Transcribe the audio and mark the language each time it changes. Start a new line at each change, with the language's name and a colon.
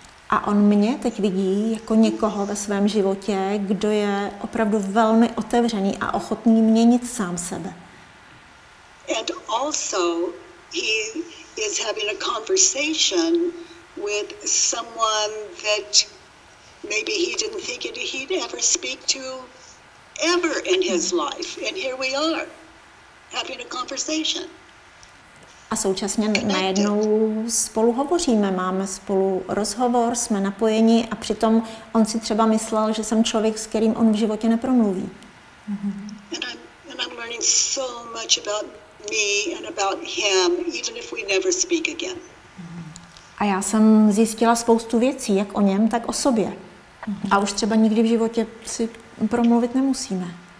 Czech: A on mě teď vidí jako někoho ve svém životě, kdo je opravdu velmi otevřený a ochotný měnit sám sebe.
English: And also he is having a conversation with someone that maybe he didn't think he'd ever speak to ever in his life. And here we are having a conversation.
Czech: A současně najednou spolu hovoříme, máme spolu rozhovor, jsme napojeni a přitom on si třeba myslel, že jsem člověk, s kterým on v životě nepromluví.
English: And I'm learning so much about me and about him, even if we never speak again.
Czech: A já jsem zjistila spoustu věcí, jak o něm, tak o sobě. A už třeba nikdy v životě si promluvit nemusíme.